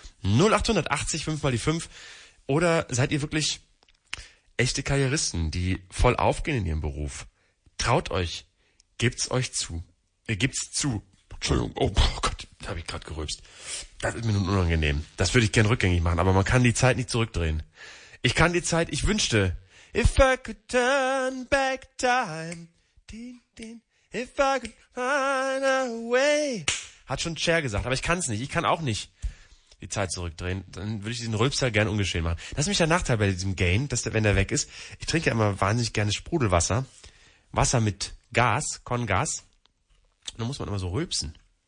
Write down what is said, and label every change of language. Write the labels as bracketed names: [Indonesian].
[German] 0880, 5 mal die 5. Oder seid ihr wirklich echte Karrieristen, die voll aufgehen in ihrem Beruf? Traut euch, gibt's euch zu. Gibt's zu. Entschuldigung, oh Gott, da habe ich gerade gerülpst. Das ist mir nun unangenehm. Das würde ich gern rückgängig machen, aber man kann die Zeit nicht zurückdrehen. Ich kann die Zeit, ich wünschte. [English] If I could turn back time, if I could find a way. [German] Hat schon Cher gesagt, aber ich kann es nicht. Ich kann auch nicht die Zeit zurückdrehen. Dann würde ich diesen Rülpser gern ungeschehen machen. Das ist nämlich der Nachteil bei diesem Gain, dass der, wenn der weg ist. Ich trinke ja immer wahnsinnig gerne Sprudelwasser. Wasser mit Gas, Kongas. Und dann muss man immer so rülpsen.